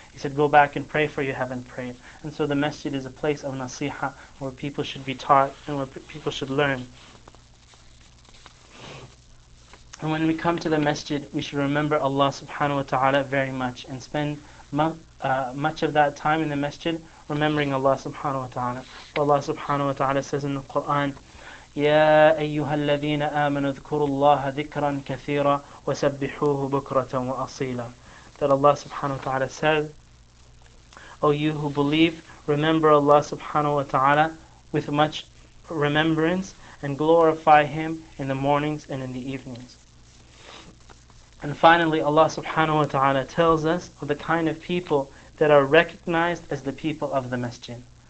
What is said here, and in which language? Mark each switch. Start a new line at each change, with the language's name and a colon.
English: He said, go back and pray for you haven't prayed. And so the masjid is a place of nasiha where people should be taught and where people should learn. And when we come to the masjid, we should remember Allah subhanahu wa ta'ala very much and spend much of that time in the masjid remembering Allah subhanahu wa ta'ala. For Allah subhanahu wa ta'ala says in the Quran,
Arabic: يَا أَيُّهَا الَّذِينَ آمَنُوا اذْكُرُوا اللَّهَ ذِكْرًا كَثِيرًا وَسَبِّحُوهُ بُكْرَةً وَأَصِيلًا.
English: That Allah subhanahu wa ta'ala says, O you who believe, remember Allah subhanahu wa ta'ala with much remembrance and glorify Him in the mornings and in the evenings. And finally, Allah subhanahu wa ta'ala tells us of the kind of people that are recognized as the people of the masjid.